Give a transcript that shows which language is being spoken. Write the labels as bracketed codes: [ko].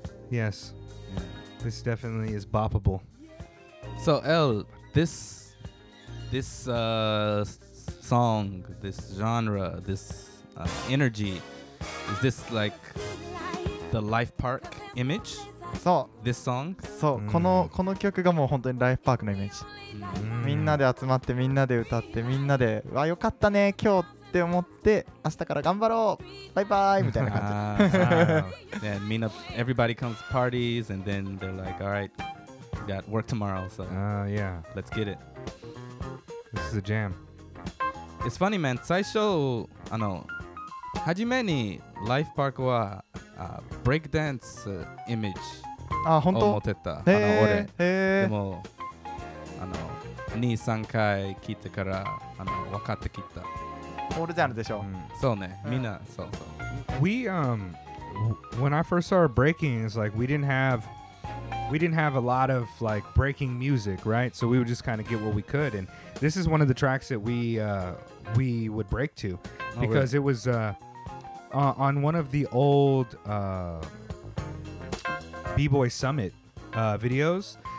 [en] Yes. Yeah. This definitely is boppable. So, L, this song, this genre, this energy, is this like the Life Park image? So. This song? [ja] So, この曲がもう本当にLife Parkのイメージ。Mm-hmm. みんなで集まってみんなで歌ってみんなでわよかったね今日って思って明日から頑張ろうバイバイみたいな感じ。 [en] Yeah, me and everybody comes to parties and then they're like, all right, got work tomorrow, so yeah, let's get it. This is a jam. It's funny, man. [ja] 最初あの初めにLife Parkはbreak dance image あ本当を持ってた。へー、あの俺へー。でもあの2、3回聞いてからあの分かってきた。オールジャンルでしょ。うん、そうね、うん、みんなそうそう。 [en] We when I first started breaking, it's like we didn't have a lot of like breaking music, right? So we would just kind of get what we could, and this is one of the tracks that we would break to, because it was on one of the old B-Boy Summit videos.